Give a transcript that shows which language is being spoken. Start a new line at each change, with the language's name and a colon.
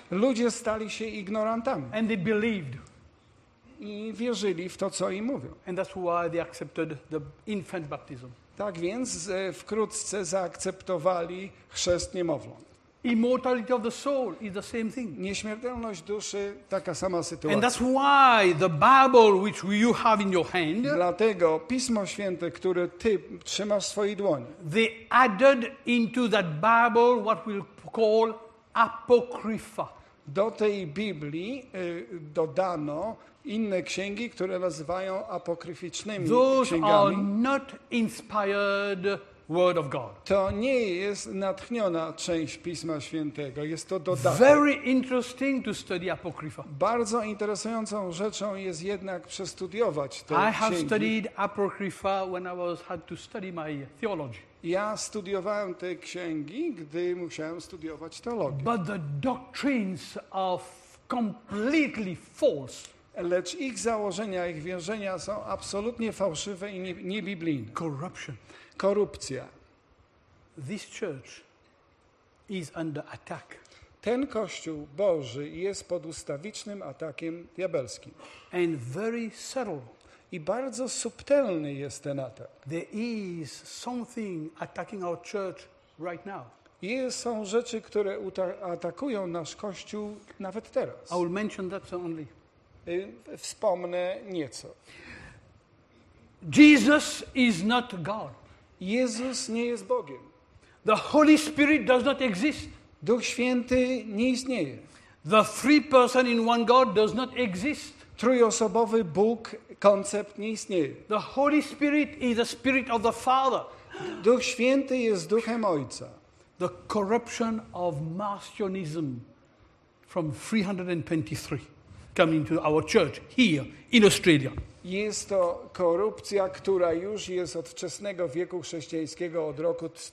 Polish: Ludzie stali się ignorantami.
English: And they believed.
Polish: I wierzyli w to, co im mówią.
English: And that's why they accepted the infant baptism.
Polish: Tak więc wkrótce zaakceptowali chrzest niemowląt.
English: Immortality of the soul is the same thing.
Polish: Nieśmiertelność duszy, taka sama sytuacja.
English: And that's why the Bible which you have in your hand.
Polish: Dlatego Pismo Święte, które ty trzymasz w swojej dłoni.
English: They added into that Bible what we'll call apocrypha.
Polish: Do tej Biblii dodano inne księgi, które nazywają apokryficznymi
English: Those
Polish: księgami.
English: Are not inspired Word of God.
Polish: To nie jest natchniona część Pisma Świętego. Jest to dodatek.
English: Very interesting to study apocrypha.
Polish: Bardzo interesującą rzeczą jest jednak przestudiować te księgi.
English: I have studied apocrypha when I was had to study my theology.
Polish: Ja studiowałem te księgi, gdy musiałem studiować teologię.
English: But the doctrines are completely false.
Polish: Lecz ich założenia, ich wierzenia są absolutnie fałszywe i niebiblijne.
English: Corruption.
Polish: Korupcja.
English: This church is under attack.
Polish: Ten Kościół Boży jest pod ustawicznym atakiem diabelskim.
English: And very subtle.
Polish: I bardzo subtelny jest ten atak.
English: There is something attacking our church right now.
Polish: Są rzeczy, które atakują nasz Kościół nawet teraz.
English: I will mention that only.
Polish: Wspomnę nieco.
English: Jesus is not God.
Polish: Jezus nie jest Bogiem.
English: The Holy Spirit does not exist.
Polish: Duch Święty nie istnieje.
English: The three person in one God does not exist.
Polish: Trójosobowy Bóg, koncept nie istnieje.
English: The Holy Spirit is the Spirit of the Father.
Polish: Duch Święty jest Duchem Ojca.
English: The corruption of Marcionism from 323 coming to our church here in Australia.
Polish: Jest to korupcja, która już jest od wczesnego wieku chrześcijańskiego, od roku